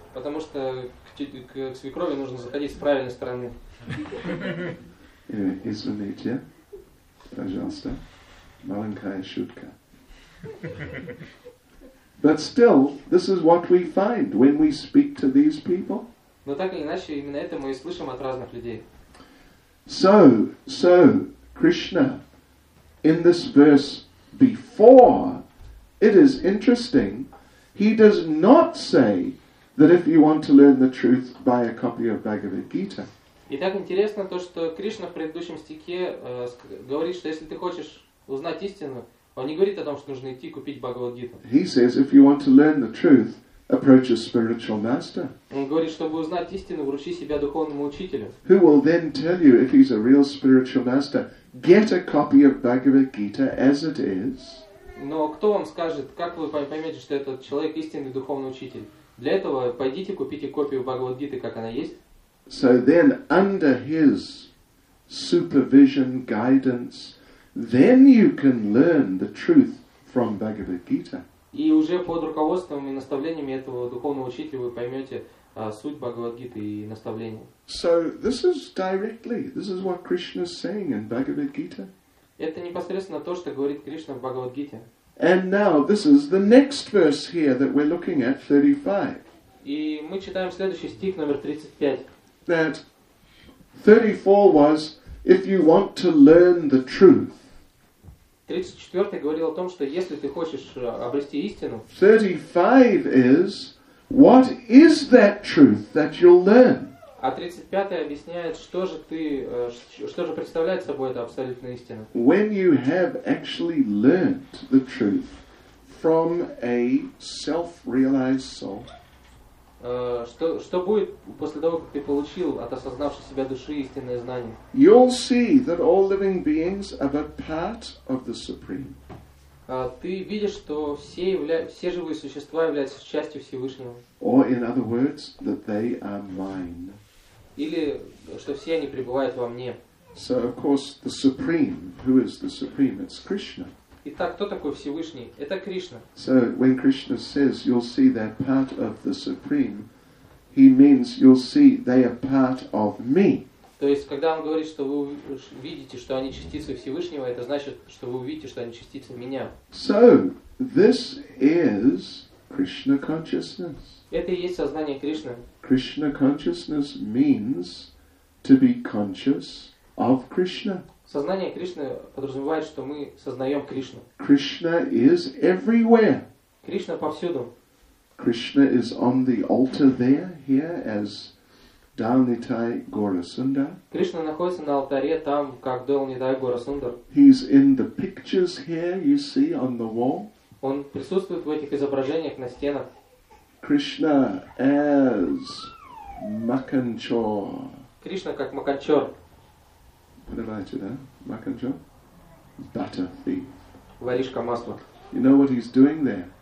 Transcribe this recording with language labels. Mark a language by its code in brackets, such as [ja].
[ru] Потому что к свекрови нужно заходить с правильной стороны. Anyway, извините, пожалуйста, маленькая шутка. [en] But still, this is what we find when we speak to these people. [ru] Но так или иначе, именно это мы и слышим от разных людей. [en] So, Krishna, in this verse before, it is interesting, he does not say that if you want to learn the truth, buy a copy of Bhagavad Gita. [ru] И так интересно то, что Кришна в предыдущем стихе говорит, что если ты хочешь узнать истину, он не говорит о том, что нужно идти купить Бхагавад Гиту. [en] He says, if you want to learn the truth, approach a spiritual master. [ru] Он говорит, чтобы узнать истину, вручи себя духовному учителю. [en] Who will then tell you if he's a real spiritual master? Get a copy of Bhagavad Gita as it is. [ru] Но кто вам скажет, как вы поймете, что этот человек истинный духовный учитель? Для этого пойдите купите копию Бхагавад Гиты, как она есть. [en] So then, under his supervision, guidance, then you can learn the truth from Bhagavad Gita. [ru] И уже под руководством и наставлениями этого духовного учителя вы поймете суть Бхагавад-гиты и наставления. [en] So this is directly, this is what Krishna is saying in Bhagavad-gita. [ru] Это непосредственно то, что говорит Кришна в Бхагавад-гите. [en] And now this is the next verse here that we're looking at, 35. [ru] И мы читаем следующий стих номер 35. [en] That 34 was, if you want to learn the truth. [ru] 34 говорил о том, что если ты хочешь обрести истину. [en] 35 is what is that truth that you'll learn? [ru] А 35 объясняет, что же представляет собой эта абсолютная истина. [en] When you have actually learned the truth from a self-realized soul. [ru] Что будет после того, как ты получил от осознавшей себя души истинное знание? [en] You'll see that all living beings are but part of the Supreme. [ru] Ты видишь, что все живые существа являются частью Всевышнего. [en] Or in other words, that they are mine. [ru] Или что все они пребывают во мне. [en] So of course the Supreme, who is the Supreme? It's Krishna. [ru] Итак, кто такой Всевышний? Это Кришна. [en] So when Krishna says you'll see that part of the Supreme, he means you'll see they are part of me. [ru] То есть, когда он говорит, что вы видите, что они частицы Всевышнего, это значит, что вы увидите, что они частицы меня. [en] So this is Krishna consciousness. [ru] Это и есть сознание Кришны. [en] Krishna consciousness means to be conscious of Krishna. [ru] Сознание Кришны подразумевает, что мы сознаем Кришну. [en] Krishna is everywhere. [ru] Кришна повсюду. [en] Krishna is on the altar there, here, as Dalnitai Gaurasundar. [ru] Кришна находится на алтаре там, как Далнитай Гаурасундар. [en] He's in the pictures here you see on the wall. [ru] Он присутствует в этих изображениях на стенах. [en] Krishna as Makanchor. [ru] Кришна как Маканчор. Понимаете, да? Маканчор? [en] Butter thief. [ru] Воришка масла. [en] You know what he's doing there?